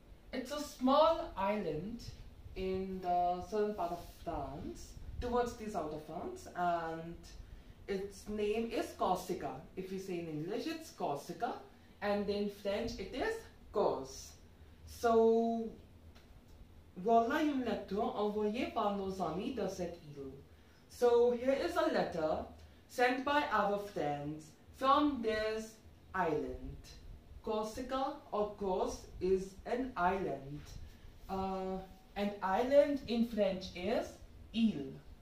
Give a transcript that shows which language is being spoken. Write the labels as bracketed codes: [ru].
[en] It's a small island in the southern part of France, towards the south of France, and its name is Corsica. If you say in English, it's Corsica, and in French, it is Corse. [fr] So, voilà une lettre envoyée par nos amis de cette île. [en] So, here is a letter sent by our friends from this island. Corsica, of course, is an island. An island in French is île.